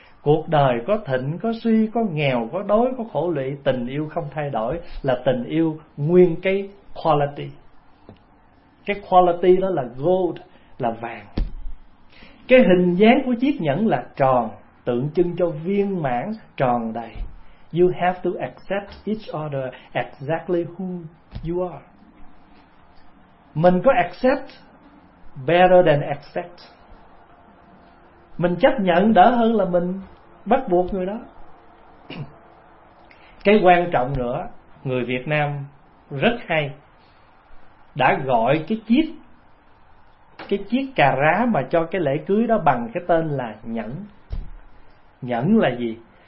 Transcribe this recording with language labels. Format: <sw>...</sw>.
<vi>Cuộc đời có thịnh, có suy, có nghèo, có đói, có khổ lụy, tình yêu không thay đổi, là tình yêu nguyên cái quality. Cái quality đó là gold, là vàng. Cái hình dáng của chiếc nhẫn là tròn, tượng trưng cho viên mãn, tròn đầy.</vi> <en>You have to accept each other exactly who you are.</en> <vi>Mình có</vi> <en>accept better than expect.</en> <vi>Mình chấp nhận đỡ hơn là mình bắt buộc người đó. Cái quan trọng nữa, người Việt Nam rất hay, đã gọi cái chiếc cà rá mà cho cái lễ cưới đó bằng cái tên là nhẫn. Nhẫn là gì?</vi>